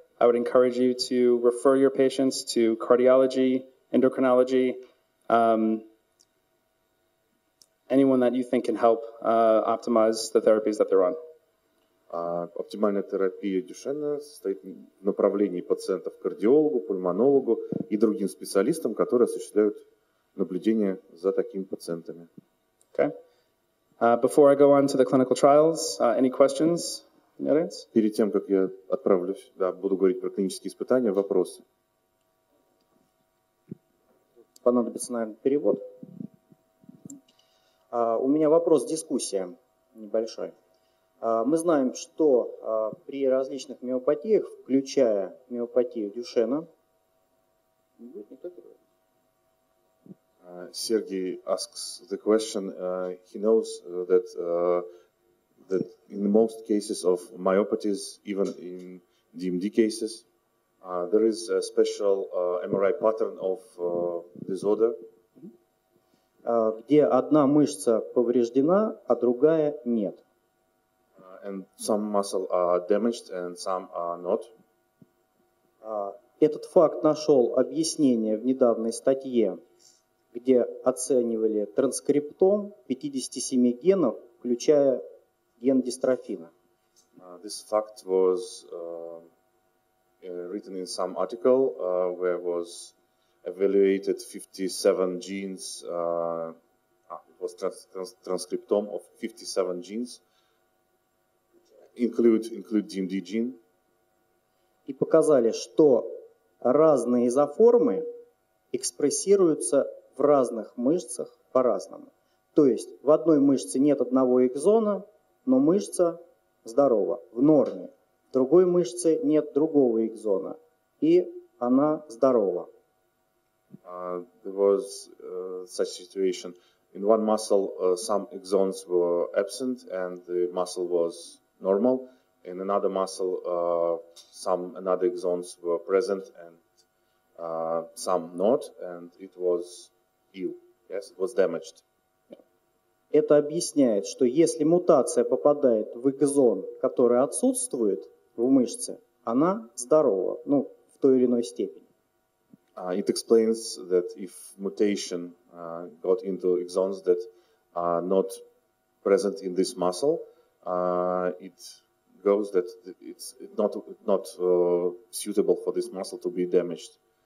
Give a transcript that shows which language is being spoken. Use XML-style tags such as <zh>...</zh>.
<en>I would encourage you to refer your patients to cardiology, endocrinology, anyone that you think can help optimize the therapies that they're on.</en> <ru>Оптимальная терапия Дюшенна состоит в направлении пациентов к кардиологу, пульмонологу и другим специалистам, которые осуществляют наблюдение за такими пациентами.</ru> <en>Okay. Before I go on to the clinical trials, any questions in the audience?</en> <ru>Перед тем, как я отправлюсь, да, буду говорить про клинические испытания, вопросы. Понадобится, наверное, перевод. У меня вопрос, дискуссия небольшой. Мы знаем, что при различных миопатиях, включая миопатию Дюшена,</ru> <en>Сергей asks the question. He knows that that in most cases of myopathies, even in DMD cases, there is a special MRI pattern of disorder,</en> <ru>где одна мышца повреждена, а другая нет.</ru> <en>And some muscles are damaged and some are not.</en> <ru>Этот факт нашел объяснение в недавней статье, где оценивали транскриптом 57 генов, включая ген дистрофина.</ru> <en>This fact was written in some article where was evaluated 57 genes. It was transcriptome of 57 genes. Include DMD gene.</en> <ru>И показали, что разные изоформы экспрессируются в разных мышцах по-разному. То есть в одной мышце нет одного экзона, но мышца здорова, в норме. В другой мышце нет другого экзона, и она здорова.</ru> <en>There was such situation. In one muscle some exons were absent and the muscle was normal. In another muscle, another exons were present and some not, and it was ill. Yes, it was damaged.</en> <ru>Это объясняет, что если мутация попадает в экзон, который отсутствует в мышце, она здорова, ну, в той или иной степени.</ru> <en>It explains that if mutation got into exons, that are not present in this muscle, it goes that it's not suitable for this muscle to be damaged.</en>